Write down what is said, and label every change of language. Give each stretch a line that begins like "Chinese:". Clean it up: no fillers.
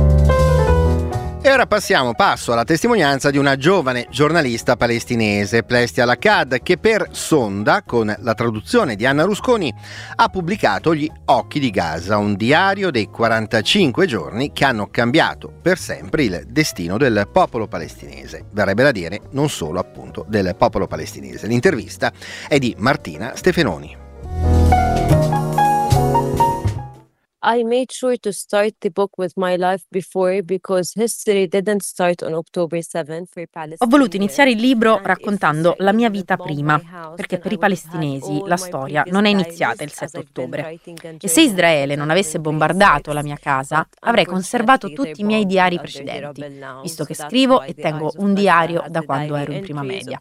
Italian: E ora passo alla testimonianza di una giovane giornalista palestinese, Plesti Al-Akkad, che per Sonda, con la traduzione di Anna Rusconi, ha pubblicato Gli occhi di Gaza, un diario dei 45 giorni che hanno cambiato per sempre il destino del popolo palestinese. Verrebbe da dire non solo appunto del popolo palestinese. L'intervista è di Martina Stefenoni.
English: I made sure to start the book with my life before, because history didn't start on October 7th for Palestinians.
Italian: Ho voluto iniziare il libro raccontando la mia vita prima, perché per i palestinesi la storia non è iniziata il 7 ottobre. E se Israele non avesse bombardato la mia casa, avrei conservato tutti i miei diari precedenti, visto che scrivo e tengo un diario da quando ero in prima media.